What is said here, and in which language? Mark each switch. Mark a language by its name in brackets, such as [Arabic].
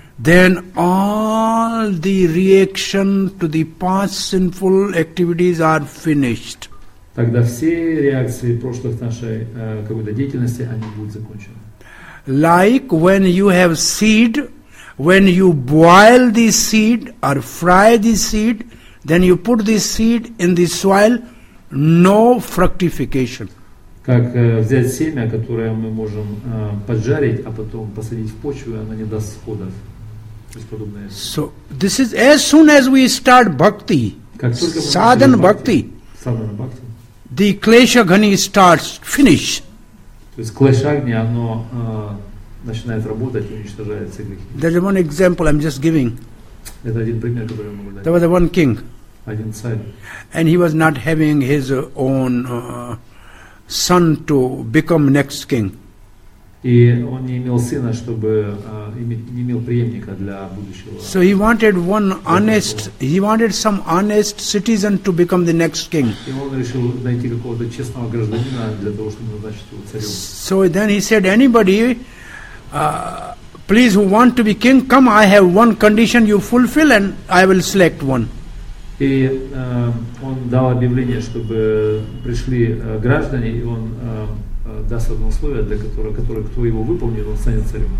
[English] Then all the reaction to the past sinful activities are finished. [Russian] Тогда все реакции прошлых нашей какой-то деятельности, они будут закончены. [English] Like when you have seed, when you boil the seed or fry the seed, then you put the seed in the soil, no fructification. [Russian] Как взять семя, которое мы можем поджарить, а потом посадить в почву, оно не даст сходов. [English] So this is as soon as we start bhakti, sadhana bhakti, the klesha ghani starts, finish. [Russian] То есть клешагни, оно начинает работать и уничтожает все грехи. [English] There is one example I'm just giving. [Russian] Это один пример, который я могу дать. [English] There was one king. [Russian] Один царь. [English] And he was not having his own son to become next king. [Russian] И он не имел сына, чтобы иметь, не имел преемника для будущего. [English] So he wanted one honest, he wanted some honest citizen to become the next king. [Russian] И он решил найти какого-то честного гражданина для того, чтобы назначить его царем. [English] So then he said, anybody, please who want to be king, come, I have one condition you fulfill and I will select one. [Russian] И он дал объявление, чтобы пришли граждане, и он даст одно условие, для которого, которое, кто его выполнит, он станет царем.